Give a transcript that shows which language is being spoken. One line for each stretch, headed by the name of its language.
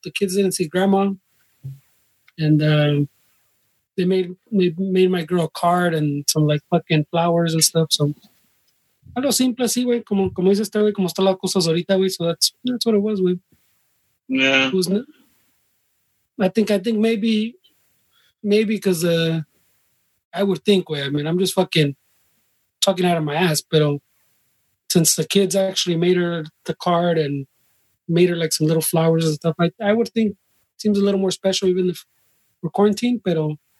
English: The kids didn't see grandma. And, They made my girl a card and some like fucking flowers and stuff.
Spanish: So, a lo simple, así, güey. Como dices, güey, como están las cosas ahorita, güey.
English: So, that's what it was, güey. Yeah. I think maybe because I would think, güey. I mean, I'm just fucking talking out of my ass. But since the kids actually made her the card and made her like some little flowers and stuff, I would think it seems a little more special even if we're quarantined, pero...